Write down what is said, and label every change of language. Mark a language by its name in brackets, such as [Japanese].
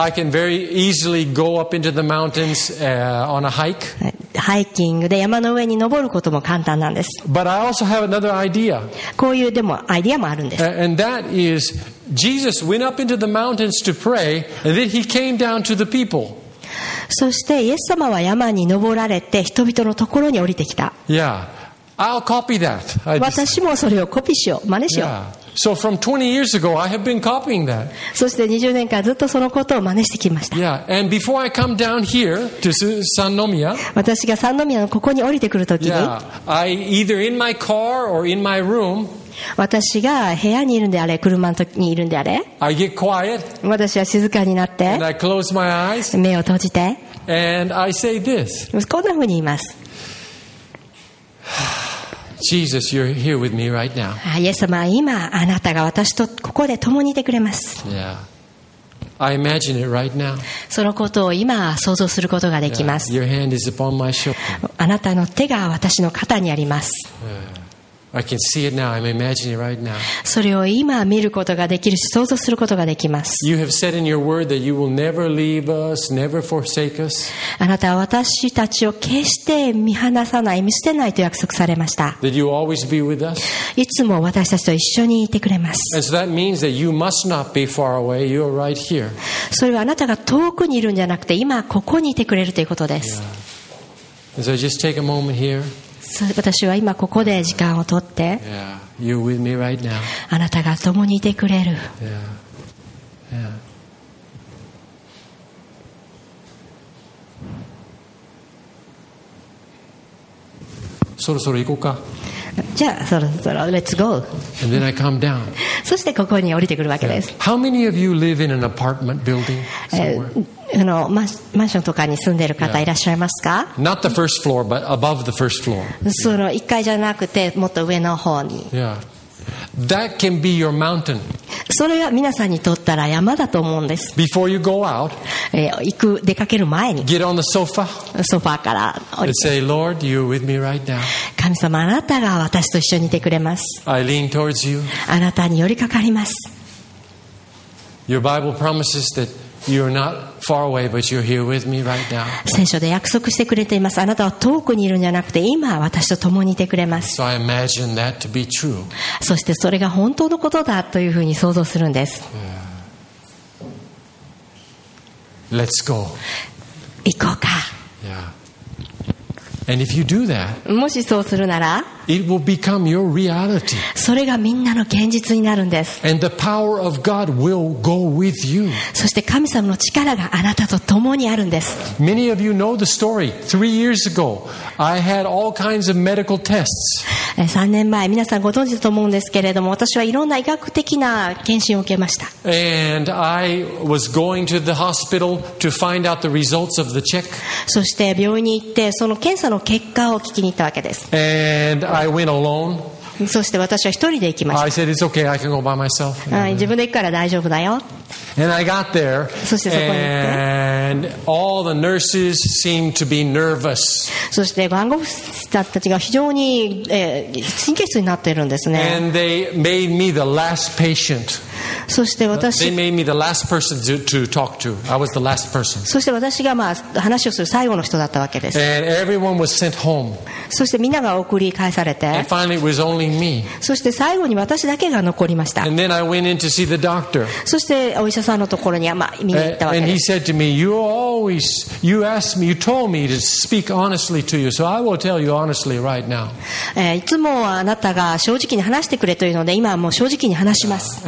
[English] I can very easily go up into the mountains, on a hike. [Japanese] ハイキングで山の上に登ることも簡単なんです。 [English] But I also have another idea. [Japanese] こういうでもアイデアもあるんです。 [English] And that is,Jesus went up into the mountains to pray, and then he came down to the people. [Japanese] そしてイエス様は山に登られて人々のところに降りてきた。 [English] Yeah, I'll copy that. [Japanese] 私もそれをコピーしよう、真似しよう。 [English] Yeah. So from 20 years ago, I have been copying that. [Japanese] そして20年間ずっとそのことを真似してきました。 [English] Yeah, and before I come down here to Sannomiya, [Japanese] 私が三宮のここに降りてくるときに、 [English] Yeah, I either in my car or in my room. [Japanese] 私が部屋にいるんであれ、車にいるんであれ、 [English] I get quiet, [Japanese] 私は静かになって、 [English] and I close my eyes, [Japanese] 目を閉じて、 [English] and I say this. [Japanese] こんなふうに言います。 [English] Jesus, you're here with me right now. [Japanese] イエス様、今あなたが私とここで共にいてくれます。 [English] Yeah. I imagine it right now. [Japanese] そのことを今想像することができます。 [English] Yeah. Your hand is upon my shoulder. [Japanese] あなたの手が私の肩にあります。 [English] Yeah. I can see it now. I'm imagining it right now. [Japanese] それを今見ることができるし、想像することができます。 [English] You have said in your word that you will never leave us, never forsake us. [Japanese] あなたは私たちを決して見放さない、見捨てないと約束されました。 [English] That you always be with us. [Japanese] いつも私たちと一緒にいてくれます。 [English] And so that means that you must not be far away. You are right here. [Japanese] それはあなたが遠くにいるんじゃなくて、今ここにいてくれるということです。 [English] Yeah. So just take a moment here. [Japanese] 私は今ここで時間を取って、 [English] yeah. You're with me right now. [Japanese] あなたが共にいてくれる、 [English] yeah. [Japanese] Yeah. そろそろ行こうか。じゃあそろそろ [English] Let's go. And then I come down. [Japanese] そしてここに降りてくるわけです。 [English] How many of you live in an apartment building somewhere? [Japanese] マンションとかに住んでいる方いらっしゃいますか？ [English] Yeah. Not the first floor, but above the first floor. [Japanese] その1階じゃなくてもっと上の方に。 [English] Yeah. That can be your mountain. [Japanese] それは皆さんにとったら山だと思うんです。 [English] Before you go out, [Japanese] 出かける前に。 [English] Get on the sofa. [Japanese] ソファーから降りて。 [English] Say, Lord, you're with me right now. [Japanese] 神様、あなたが私と一緒にいてくれます。 [English] I lean towards you. [Japanese] あなたに寄りかかります。 [English] Your Bible promises that you're not far away, but you're here with me right now. [Japanese] 聖書で約束してくれています。あなたは遠くにいるんじゃなくて、今私と共にいてくれます。 [English] So I imagine that to be true. [Japanese] そしてそれが本当のことだというふうに想像するんです。 [English] Yeah. Let's go. [Japanese] 行こうか。 [English] Yeah. And if you do that, [Japanese] もしそうするなら、 [English] it will become your reality. [Japanese] それがみんなの現実になるんです。 [English] And the power of God will go with you. [Japanese] そして神様の力があなたと共にあるんです。 [English] Many of you know the story. 3 years ago, I had all kinds of medical tests. [Japanese] 3年前、皆さんご存知だと思うんですけれども、私はいろんな医学的な検診を受けました。 [English] And I was going to the hospital to find out the results of the check. [Japanese] そして病院に行って、その検査の結果を聞きに行ったわけです。 [English] And I went alone. [Japanese] そして私は一人で行きました。 [English] I said, it's okay, I can go by myself. [Japanese] 自分で行くから大丈夫だよ。 [English] And I got there. [Japanese] そしてそこに行って。 [English] And all the nurses seemed to be nervous. [Japanese] そして看護師たちが非常に、神経質になっているんですね。 [English] And they made me the last patient. [Japanese] そして私 [English] They made me the last person to talk to. I was the last person. [Japanese] そして私が、話をする最後の人だったわけです。 [English] And everyone was sent home. [Japanese] そしてみんなが送り返されて。 [English] And finally it was only me. [Japanese] そして最後に私だけが残りました。 [English] And then I went in to see the doctor. [Japanese] そしてお医者さんのところに、見に行ったわけです。 [English] And he said to me, you always, you asked me, you told me to speak honestly to you, so I will tell you honestly right now. [Japanese] いつもあなたが正直に話してくれというので、今はもう正直に話します。